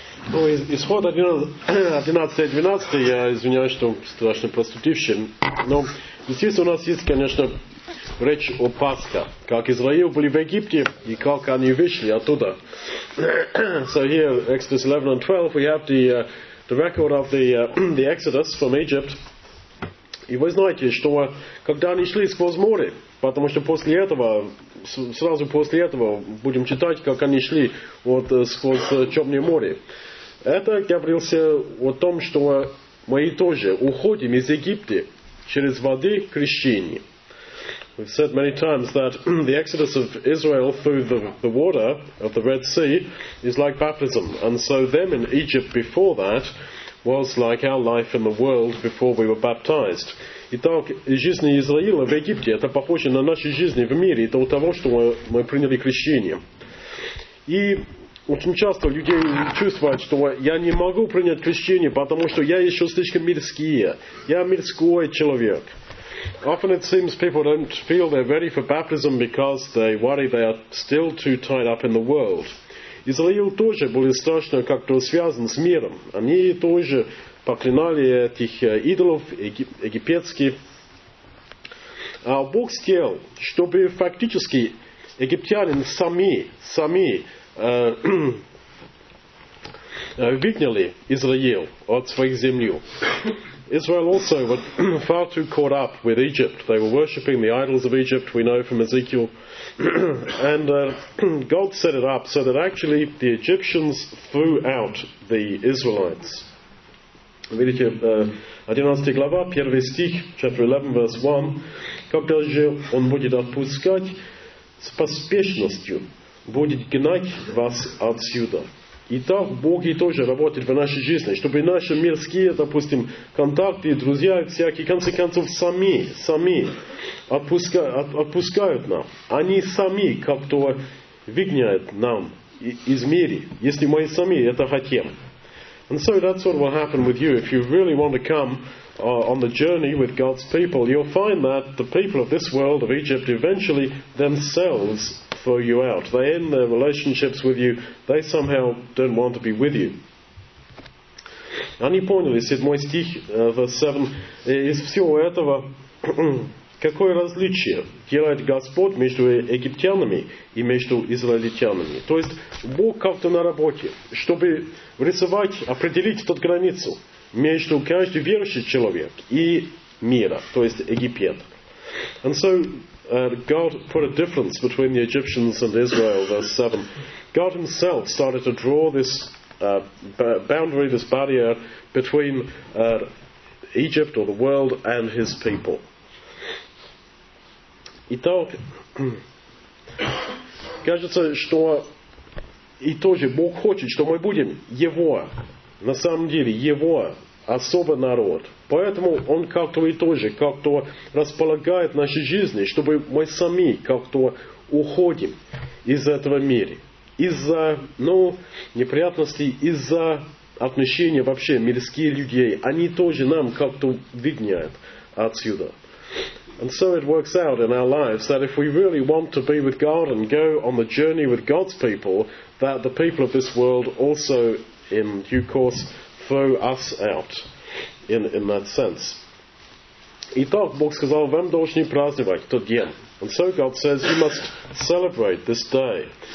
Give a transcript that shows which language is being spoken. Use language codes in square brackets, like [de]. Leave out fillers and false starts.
[ru] Ну, исход 11.12, я извиняюсь, что страшно проступивший, но здесь у нас есть, конечно, речь о Пасхе, как Израил были в Египте и как они вышли оттуда. [en] So here, Exodus 11 and 12, we have the record of the Exodus from Egypt. [ru] И вы знаете, что когда они шли сквозь море, потому что после этого, сразу после этого будем читать, как они шли вот сквозь Черное море. Это говорилось о том, что мы тоже уходим из Египта через воды крещения. [en] We've said many times that the exodus of Israel through the water of the Red Sea is like baptism. And so them in Egypt before that was like our life in the world before we were baptized. [ru] Итак, жизнь Израиля в Египте, это похоже на нашу жизнь в мире до того, что мы приняли крещение. И очень часто людей чувствуют, что я не могу принять крещение, потому что я еще слишком мирский. Я мирской человек. [en] Often it seems people don't feel they're ready for baptism because they worry they are still too tied up in the world. [ru] Израиль тоже был страшно как-то связан с миром. Они тоже поклинали этих идолов египетских. А Бог сделал, чтобы фактически египтянин сами выгнали Израиль от своих земель. [en] Israel also were far too caught up with Egypt. They were worshipping the idols of Egypt, we know from Ezekiel. And God set it up so that actually the Egyptians threw out the Israelites. [ru] Видите, 11 глава, 1 стих, [en] chapter 11, verse 1. [ru] Когда же он будет отпускать, с поспешностью будет гнать вас отсюда. Итак, Бог тоже работает в нашей жизни, чтобы наши мирские, допустим, контакты, друзья всякие, в конце концов, сами отпускают нам. Они сами как-то выгоняют нам из мира, если мы сами это хотим. [en] And so that's what will happen with you. If you really want to come on the journey with God's people, you'll find that the people of this world, of Egypt, eventually themselves throw you out. They end their relationships with you. They somehow don't want to be with you. [ru] Они поняли, седьмой стих, [en] verse 7, [ru] из всего этого, какое различие делает Господь между египтянами и между израильтянами. То есть Бог как-то на работе, чтобы рисовать, определить эту границу между каждым верующим человеком и миром, то есть Египет. [en] And so God put a difference between the Egyptians and Israel, verse 7. God himself started to draw this boundary, this barrier between Egypt or the world and his people. [ru] Итак, кажется, что и тоже Бог хочет, что мы будем Его, на самом деле Его, особый народ. Поэтому Он как-то и тоже как-то располагает наши жизни, чтобы мы сами как-то уходим из этого мира. Из-за, ну, неприятностей, из-за отношений вообще мирские людей, они тоже нам как-то выгоняют отсюда. [en] And so it works out in our lives that if we really want to be with God and go on the journey with God's people, that the people of this world also, in due course, throw us out in that sense. [ru] Итак, Бог сказал, вам должны праздновать тот день. [en] And so God says, you must celebrate this day.